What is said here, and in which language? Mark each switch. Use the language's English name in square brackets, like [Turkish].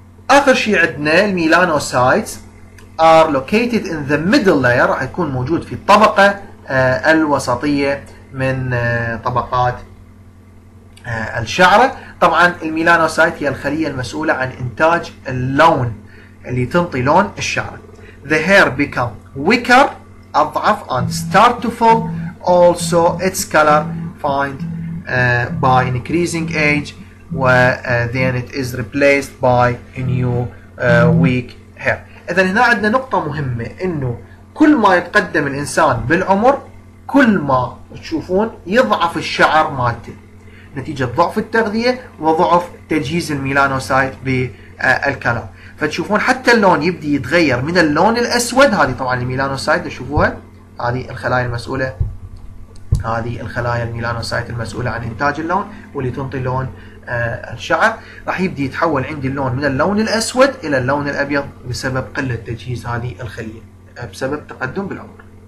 [Arabic] آخر شيء عندنا الميلانوسايتس [English] are located in the middle layer، [Arabic] راح يكون موجود في الطبقة الوسطية من طبقات الشعرة. طبعا الميلانوسايت هي الخلية المسؤولة عن إنتاج اللون اللي تنطي لون الشعرة. [English] The hair become weaker أضعف and start to fall. Also its color find by increasing age و then it is replaced by a new weak hair. [Arabic] إذن هنا عندنا نقطة مهمة، إنه كل ما يتقدم الإنسان بالعمر كل ما تشوفون يضعف الشعر مالته نتيجة ضعف التغذية وضعف تجهيز الميلانوسايت بالكلام. فتشوفون حتى اللون يبدي يتغير من اللون الأسود، هذه طبعا الميلانوسايت تشوفوها، هذه الخلايا المسؤولة، هذه الخلايا الميلانوسايت المسؤولة عن إنتاج اللون واللي تنطي لون الشعر، راح يبدي يتحول عندي اللون من اللون الأسود إلى اللون الأبيض بسبب قلة تجهيز هذه الخلية بسبب تقدم بالعمر.